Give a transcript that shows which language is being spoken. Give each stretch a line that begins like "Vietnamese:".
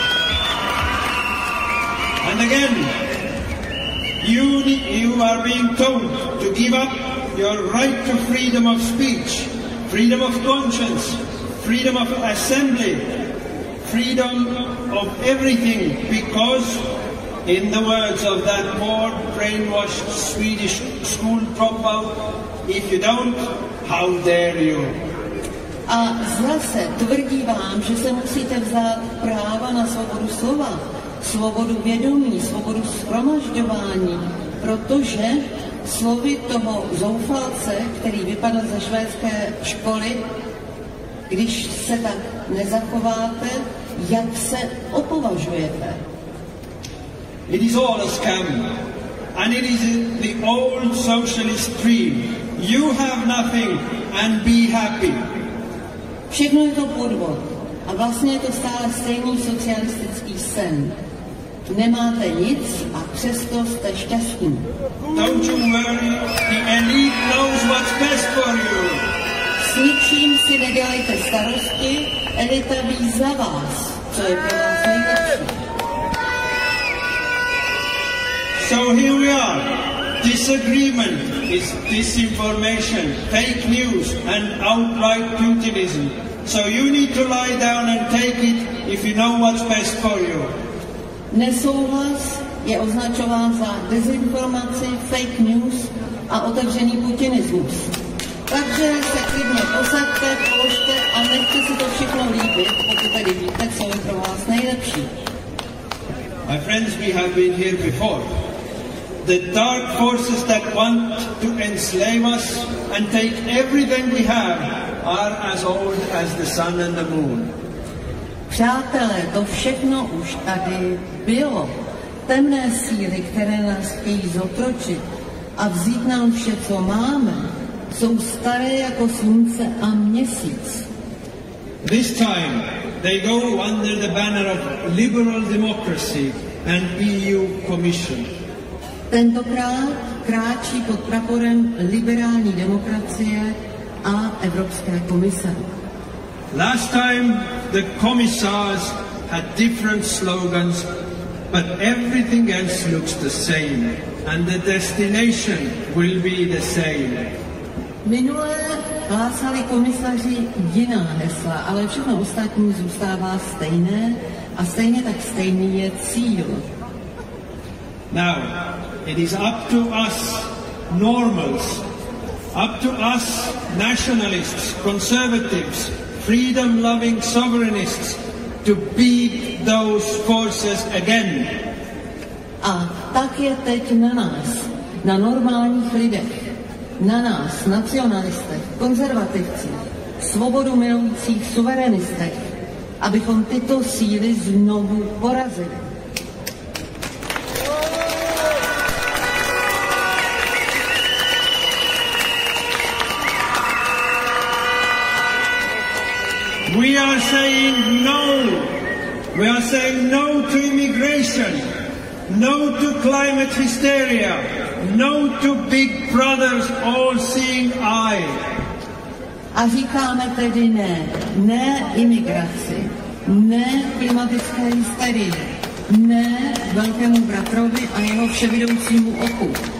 English: And again, you are being told to give up your right to freedom of speech, freedom of conscience, freedom of assembly, freedom of everything, because in the words of that poor, brainwashed Swedish school dropout, if you don't, how dare you?
Czech: A zase tvrdí vám, že se musíte vzdát práva na svobodu slova, svobodu vědomí, svobodu shromažďování, protože slovy toho zoufalce, který vypadl ze švédské školy, když se tak nezachováte, jak se opovažujete?
English: It is all a scam, and it is the old socialist dream. You have nothing, and be happy.
Czech: Všechno je to podvod, a vlastně je to stále stejný socialistický sen. Nemáte nic, a přesto jste šťastní.
English: Don't you worry, the elite knows what's best for you.
Czech: S ničím si nedělejte starosti, elita ví za vás, co je pro vás nejlepší.
English: So here we are. Disagreement is disinformation, fake news, and outright Putinism. So you need to lie down and take it if you know what's best for you.
Czech: Nesouhlas je označován za dezinformaci, fake news a otevřený Putinismus. Takže se klidně posaďte, položte a nechte si to všechno líbit, protože tady víte, co je pro vás nejlepší.
English: My friends, we have been here before. The dark forces that want to enslave us and take everything we have are as old as the sun and the moon.
Czech: Přátelé, to všechno už tady bylo. Temné síly, které nás chtějí zotročit a vzít nám vše, co máme, jsou staré jako slunce a měsíc.
English: This time they go under the banner of liberal democracy and EU commission.
Czech: Tentokrát kráčí pod praporem liberální demokracie a Evropské komise.
English: Last time the commissars had different slogans, but everything else looks the same, and the destination will be the same.
Czech: Minule hlásali komisaři jiná hesla, ale všechno ostatní zůstává stejné, a stejně tak stejný je cíl.
English: Now, it is up to us normals, up to us nationalists, conservatives, freedom-loving sovereignists, to beat those forces again.
Czech: A tak je teď na nás, na normálních lidech, na nás, nacionalistech, konzervativcích, svobodu milujících suverenistech, abychom tyto síly znovu porazili.
English: We are saying no. We are saying no to immigration, no to climate hysteria, no to Big Brother's all-seeing eye.
Czech: A říkáme tedy ne, ne imigraci, ne klimatické hysterii, ne velkému bratrovi a jeho vševidoucímu oku.